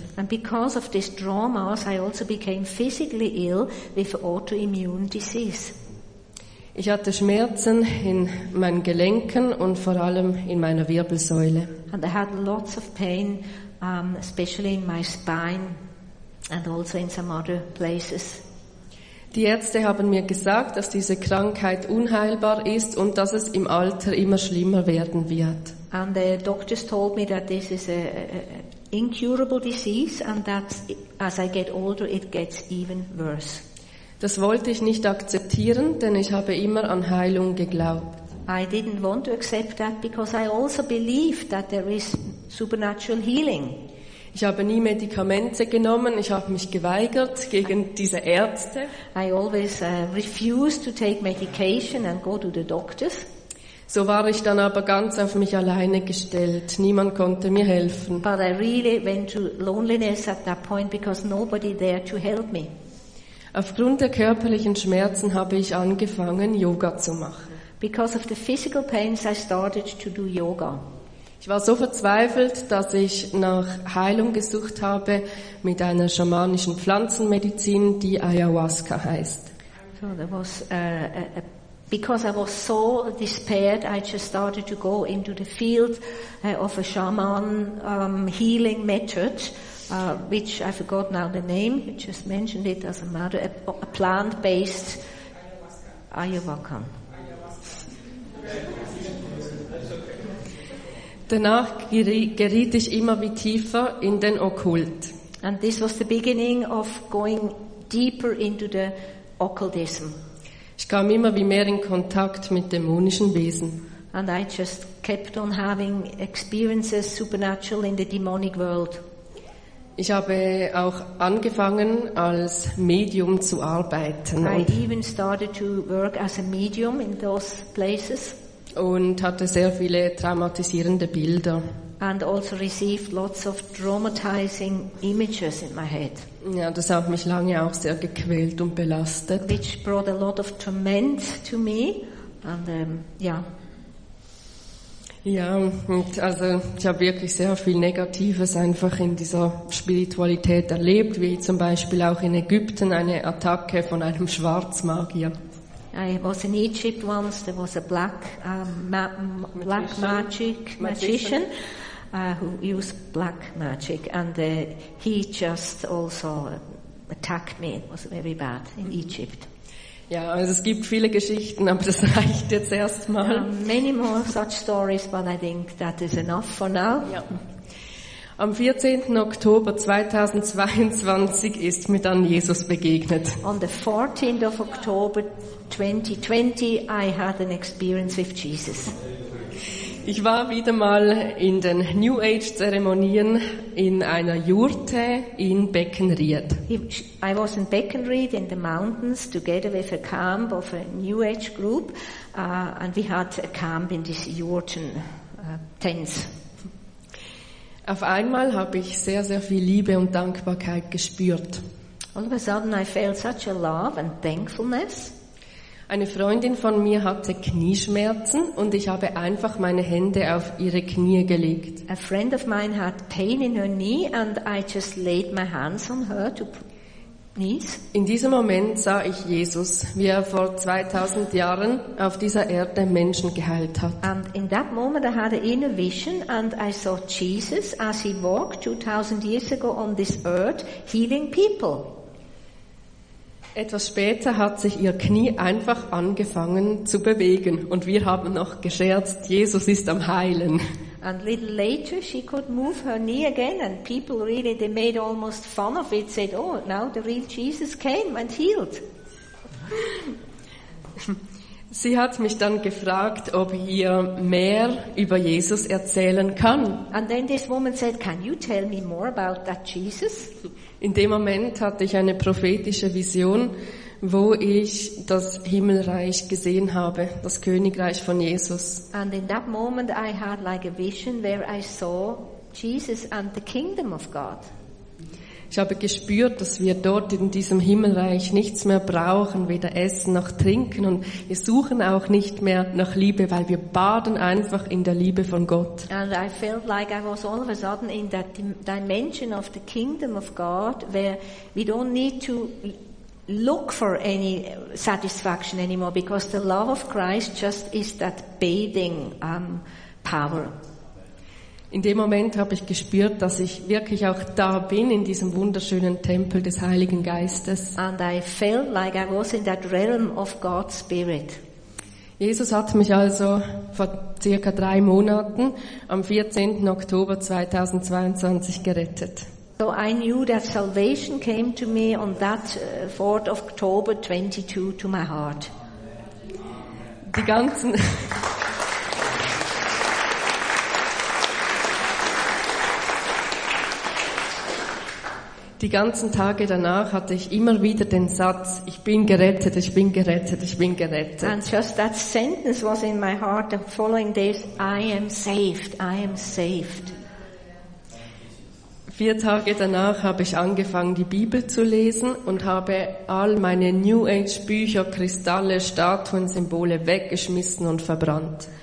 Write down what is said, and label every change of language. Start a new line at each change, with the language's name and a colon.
English: And because of these traumas, I also became physically ill with autoimmune disease.
German: Ich hatte Schmerzen in meinen Gelenken und vor allem in meiner Wirbelsäule.
English: And I had lots of pain, especially in my spine and also in some other places.
German: Die Ärzte haben mir gesagt, dass diese Krankheit unheilbar ist und dass es im Alter immer schlimmer werden wird.
English: And the doctors told me that this is an incurable disease and that as I get older it gets even worse.
German: Das wollte ich nicht akzeptieren, denn ich habe immer an Heilung geglaubt.
English: I didn't want to accept that because I also believed that there is supernatural healing.
German: Ich habe nie Medikamente genommen, ich habe mich geweigert gegen diese Ärzte.
English: I always refused to take medication and go to the doctors.
German: So war ich dann aber ganz auf mich alleine gestellt. Niemand konnte mir helfen.
English: But I really went to loneliness at that point because nobody there to help me.
German: Aufgrund der körperlichen Schmerzen habe ich angefangen, Yoga zu machen.
English: Because of the physical pains I started to do yoga.
German: Ich war so verzweifelt, dass ich nach Heilung gesucht habe mit einer schamanischen Pflanzenmedizin, die Ayahuasca heißt.
English: So there was, because I was so despaired, I just started to go into the field of a shaman healing method, which I forgot now the name, you just mentioned it as a matter, a plant-based Ayahuasca.
German: Danach geriet ich immer wie tiefer in den Okkult.
English: And this was the beginning of going deeper into the occultism.
German: Ich kam immer wie mehr in Kontakt mit dämonischen Wesen.
English: And I just kept on having experiences supernatural in the demonic world.
German: Ich habe auch angefangen als Medium zu arbeiten.
English: I even started to work as a medium in those places.
German: Und hatte sehr viele traumatisierende Bilder.
English: And also received lots of traumatizing images in my head.
German: Ja, das hat mich lange auch sehr gequält und belastet.
English: Which brought a lot of torment to me. And yeah.
German: Ja, und also ich habe wirklich sehr viel Negatives einfach in dieser Spiritualität erlebt, wie zum Beispiel auch in Ägypten eine Attacke von einem Schwarzmagier.
English: I was in Egypt once. There was a black magician who used black magic, and he just also attacked me. It was very bad in Egypt.
German: Ja, also es gibt viele Geschichten, aber das reicht jetzt erstmal.
English: Many more such stories, but I think that is enough for now.
German: Ja. Am 14. Oktober 2022 ist mir dann Jesus begegnet.
English: On the 14th of October 2020, I had an experience with Jesus.
German: Ich war wieder mal in den New Age Zeremonien in einer Jurte in Beckenried.
English: I was in Beckenried in the mountains together with a camp of a New Age group, and we had a camp in this Jurten tents.
German: Auf einmal habe ich sehr, sehr viel Liebe und Dankbarkeit gespürt.
English: All of a sudden I felt such a love and thankfulness.
German: Eine Freundin von mir hatte Knieschmerzen und ich habe einfach meine Hände auf ihre Knie gelegt.
English: A friend of mine had pain in her knee and I just laid my hands on her to knees.
German: In diesem Moment sah ich Jesus, wie er vor 2000 Jahren auf dieser Erde Menschen geheilt hat.
English: And in that moment I had an inner vision and I saw Jesus as he walked 2000 years ago on this earth healing people.
German: Etwas später hat sich ihr Knie einfach angefangen zu bewegen und wir haben noch gescherzt, Jesus ist am Heilen.
English: And a little later she could move her knee again and people really, they made almost fun of it, said, oh, now the real Jesus came and healed.
German: Sie hat mich dann gefragt, ob ich ihr mehr über Jesus erzählen kann.
English: And then this woman said, can you tell me more about that Jesus?
German: In dem Moment hatte ich eine prophetische Vision, wo ich das Himmelreich gesehen habe, das Königreich von Jesus.
English: And in that moment I had like a vision where I saw Jesus and the kingdom of God.
German: Ich habe gespürt, dass wir dort in diesem Himmelreich nichts mehr brauchen, weder Essen noch Trinken, und wir suchen auch nicht mehr nach Liebe, weil wir baden einfach in der Liebe von Gott.
English: And I felt like I was all of a sudden in that dimension of the kingdom of God, where we don't need to look for any satisfaction anymore, because the love of Christ just is that bathing power.
German: In dem Moment habe ich gespürt, dass ich wirklich auch da bin, in diesem wunderschönen Tempel des Heiligen Geistes.
English: And I felt like I was in that realm of God's Spirit.
German: Jesus hat mich also vor circa 3 Monaten, am 14. Oktober 2022, gerettet.
English: So I knew that salvation came to me on that 4th of October 22 to my heart.
German: Die ganzen... Die ganzen Tage danach hatte ich immer wieder den Satz, ich bin gerettet, ich bin gerettet, ich bin gerettet.
English: And just that sentence was in my heart the following days, I am saved, I am saved.
German: 4 Tage danach habe ich angefangen, die Bibel zu lesen und habe all meine New Age Bücher, Kristalle, Statuen, Symbole weggeschmissen und verbrannt.